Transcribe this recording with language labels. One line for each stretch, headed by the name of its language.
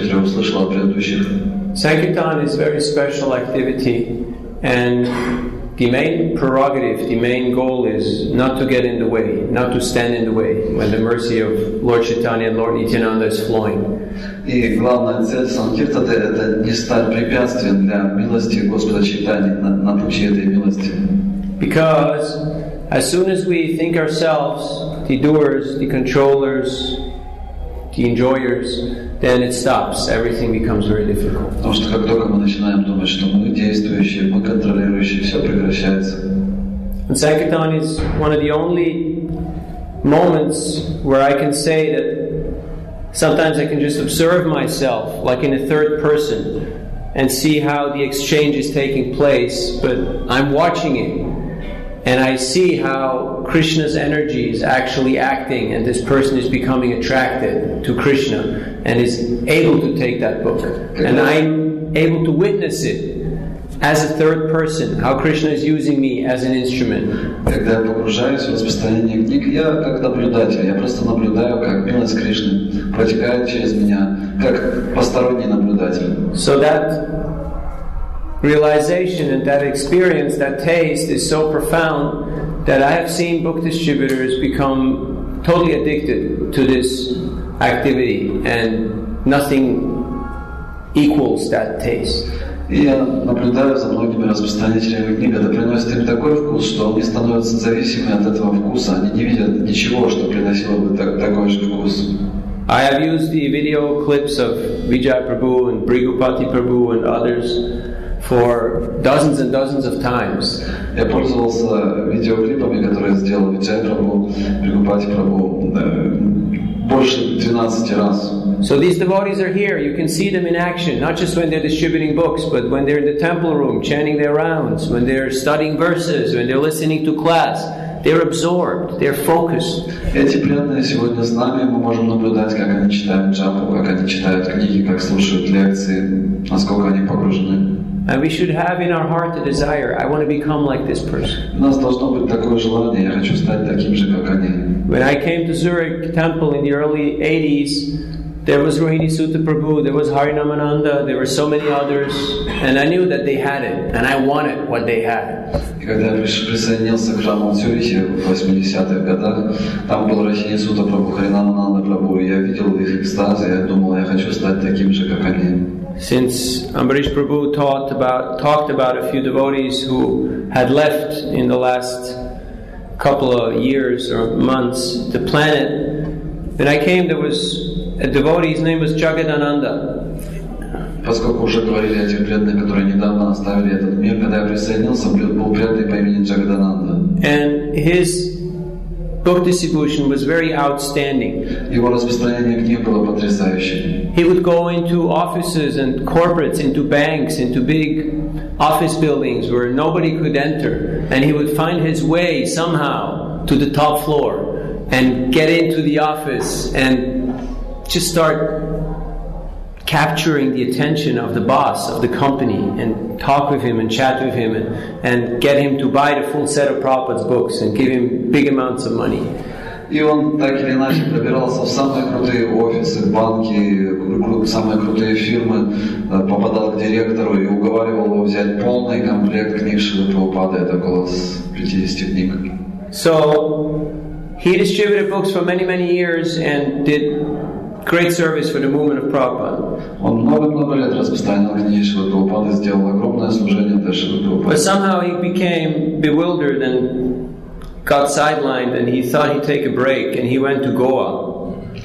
English: Sankirtan is a very special activity, and the main prerogative, the main goal is not to get in the way, not to stand in the way when the mercy of Lord Chaitanya and Lord Nityananda is flowing.
Russian: И главная цель Санкиртаты – это не стать препятствием для милости Господа Чайтанья на пути этой милости.
English: Because as soon as we think ourselves, the doers, the controllers, the enjoyers, then it stops. Everything becomes very difficult.
Russian: Потому что как только мы начинаем думать, что мы действующие, мы контролирующие, все прекращается.
English: And Sankirtan is one of the only moments where I can say that sometimes I can just observe myself, like in a third person, and see how the exchange is taking place, but I'm watching it. And I see how Krishna's energy is actually acting and this person is becoming attracted to Krishna and is able to take that book. And I'm able to witness it as a third person, how Krishna is using me as an instrument.
Russian: Когда я погружаюсь в распространение книг, я как наблюдатель, я просто наблюдаю, как милость Кришны протекает через меня, как посторонний наблюдатель.
English: So that realization and that experience, that taste is so profound that I have seen book distributors become totally addicted to this activity and nothing equals that taste.
Russian: Я наблюдаю за многими распространителями книг, это приносит им такой вкус, что они становятся зависимы от этого вкуса. Они не видят ничего, что приносило бы такой же вкус.
English: I have used the video clips of Vijay Prabhu and Bhrigupati Prabhu and others for dozens and dozens of times.
Russian: Я пользовался видеоклипами, которые сделал Vijay Prabhu, Bhrigupati Prabhu, больше 12 раз.
English: So these devotees are here. You can see them in action, not just when they're distributing books, but when they're in the temple room, chanting their rounds, when they're studying verses, when they're listening to class. They're absorbed. They're focused.
Russian: Эти преданные сегодня с нами, мы можем наблюдать, как они читают джапу, как они читают книги, как слушают лекции, насколько они погружены.
English: And we should have in our heart the desire, I want to become like this person.
Russian: У нас должно быть такое желание, я хочу стать таким же, как они.
English: When I came to Zurich Temple in the early 80s, there was Rohini Sutta Prabhu, there was Harinamananda, there were so many others, and I knew that they had it, and I wanted what they had.
Russian: Когда я присоединился к храму в Цюрихе в 80-х годах, там был Рохини Сутта Прабху, Харинамананда Прабху, и я видел их экстазы, я думал, я хочу стать таким же, как они.
English: Since Amrish Prabhu talked about a few devotees who had left in the last couple of years or months the planet, when I came, there was a devotee, his name was Jagadananda.
Russian: Поскольку уже говорили о тех преданных, которые недавно оставили этот мир, когда я присоединился, был преданный по имени Джагадананда.
English: And his book distribution was very outstanding.
Russian: Его распространение книг было потрясающим.
English: He would go into offices and corporates, into banks, into big office buildings where nobody could enter, and he would find his way somehow to the top floor and get into the office and just start capturing the attention of the boss of the company and talk with him and chat with him and get him to buy the full set of Prabhupada's books and give him big amounts of money.
Russian: И он так или иначе пробирался в самые крутые офисы, банки, самые крутые фирмы, попадал к директору и уговаривал его взять полный комплект книг Шрилы Прабхупады, это около 50 книг.
English: So he distributed books for many, many years and did great service for the movement of Prabhupada. But somehow he became bewildered and got sidelined, and he thought he'd take a break, and he went to Goa.